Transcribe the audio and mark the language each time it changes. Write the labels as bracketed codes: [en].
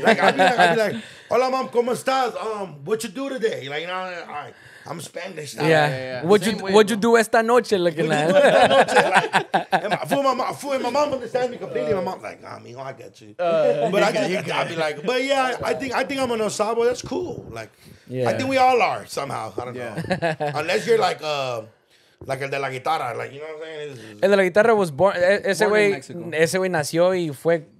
[en] Like, I'd be like, [es] hola, [en] mom, [es] ¿cómo estás? [en] What you do today? Like, you know, all right, I'm Spanish now. Yeah. What you do [es] esta noche [en] looking what at? What you do [es] esta noche? [en] Like, and my mom understands me completely. My mom's like, nah, mijo, I get you. But I'd be like, but yeah, I think I'm an Osabo. That's cool. Like, yeah. I think we all are somehow. I don't know. Unless you're like... Like [es] el de la guitarra, [en] like, you know what I'm saying? [es] El de la guitarra [en] was born, [es] ese güey, nació y fue